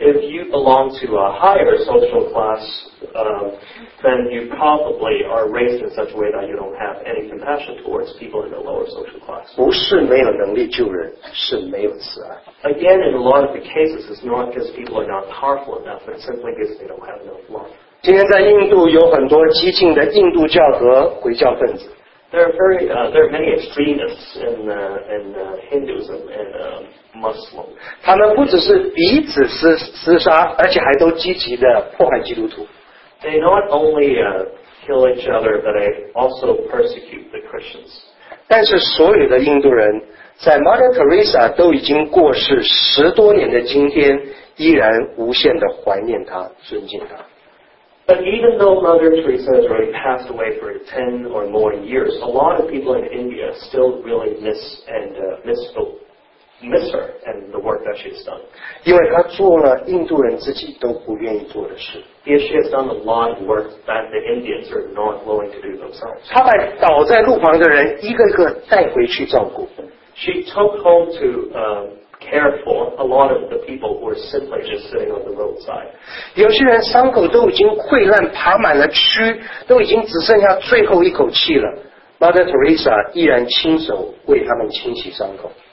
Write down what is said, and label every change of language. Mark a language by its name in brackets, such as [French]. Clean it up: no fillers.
[English] if you belong to a higher social class, then you probably are raised in such a way that you don't have any compassion towards people in the lower social class. [Chinese] 不是没有能力救人，是没有慈爱。 [English] Again, in a lot of the cases, it's not because people are not powerful enough, but simply because they don't have enough love. [Chinese] 今天在印度有很多激进的印度教和回教分子。 [English] There are many extremists in Hinduism and Muslim. [Chinese] 他们不只是彼此厮杀，而且还都积极的破坏基督徒。 [English] They not only kill each other, but they also persecute the Christians. [Chinese] 但是所有的印度人在 Mother Teresa 都已经过世十多年的今天，依然无限的怀念他，尊敬他。 [English] But even though Mother Teresa has already passed away for 10 or more years, a lot of people in India still really miss her and the work that she has done. [Chinese] 因为她做了印度人自己都不愿意做的事。 [English] Because she has done a lot of work that the Indians are not willing to do themselves. [Chinese] 她把倒在路旁的人一个一个带回去照顾。 [English] She took home to care for a lot of the people who are simply just sitting on the roadside. [Chinese] 有些人伤口都已经溃烂，爬满了蛆，都已经只剩下最后一口气了。 Mother Teresa 依然亲手为他们清洗伤口。